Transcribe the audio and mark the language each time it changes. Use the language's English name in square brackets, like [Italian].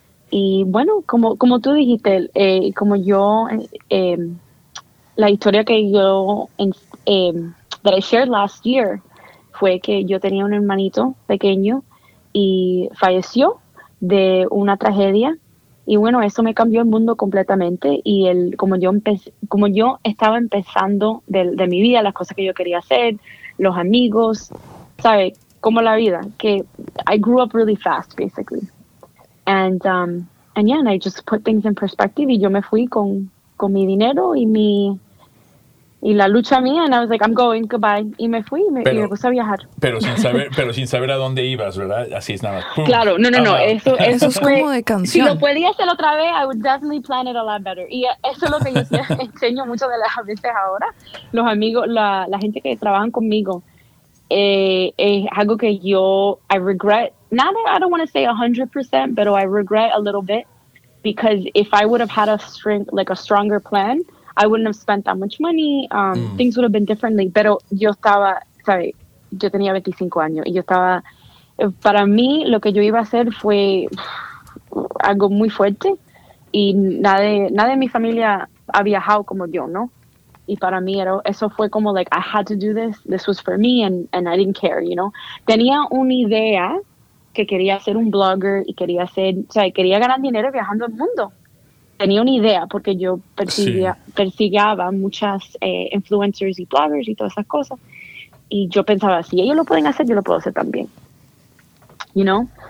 [Spanish] Y bueno, como tú dijiste, como yo, la historia que yo, [English] that I shared last year, [Spanish] fue que yo tenía un hermanito pequeño y falleció de una tragedia Y bueno, eso me cambió el mundo completamente. Y el como yo estaba empezando de mi vida, las cosas que yo quería hacer, los amigos, ¿sabes? Como la vida, que [English] I grew up really fast, basically. And yeah, and I just put things in perspective. [Spanish] Y yo me fui con mi dinero y mi... Y la lucha mía, [English] and I was like, I'm going, goodbye. [Spanish] Y me fui, y me puse a viajar. Pero sin saber a dónde ibas, ¿verdad? Así es nada más. ¡Pum! Claro, no. Eso es como de canción. Si lo podía hacer otra vez, [English] I would definitely plan it a lot better. [Spanish] Y eso es lo que yo enseño mucho de las veces ahora. Los amigos, la gente que trabajan conmigo, es algo que yo, [English] I regret, not that I don't want to say 100%, [Spanish] pero [English] I regret a little bit, because if I would have had a stronger plan, I wouldn't have spent that much money. Things would have been differently. [Spanish] Pero yo estaba, sabes, yo tenía 25 años y yo estaba. Para mí, lo que yo iba a hacer fue algo muy fuerte y nada de mi familia ha viajado como yo, ¿no? Y para mí eso fue como [English] like I had to do this. This was for me and I didn't care, you know. [Spanish] Tenía una idea que quería ser un blogger y quería hacer, o sea, quería ganar dinero viajando al mundo. Tenía una idea porque yo persiguiaba muchas influencers y bloggers y todas esas cosas. Y yo pensaba, si ellos lo pueden hacer, yo lo puedo hacer también. [English] You know?